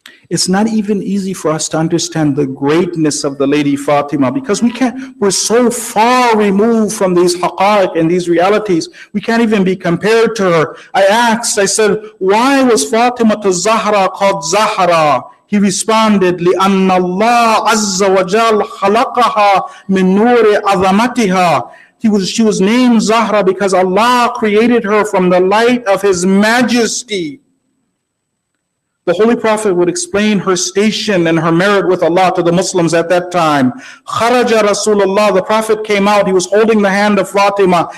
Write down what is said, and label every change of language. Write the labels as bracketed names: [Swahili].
[English] It's not even easy for us to understand the greatness of the Lady Fatima because we're so far removed from these haqqaiq and these realities. We can't even be compared to her. I said, why was Fatima to Zahra called Zahra? [Arabic] He responded, لِأَنَّ اللَّهَ عَزَّ وَجَلْ خَلَقَهَا مِن نُورِ عَظَمَتِهَا. [English] She was named Zahra because Allah created her from the light of His majesty. The Holy Prophet would explain her station and her merit with Allah to the Muslims at that time. [Arabic] Kharaja Rasulullah, [English] the Prophet came out, he was holding the hand of Fatima.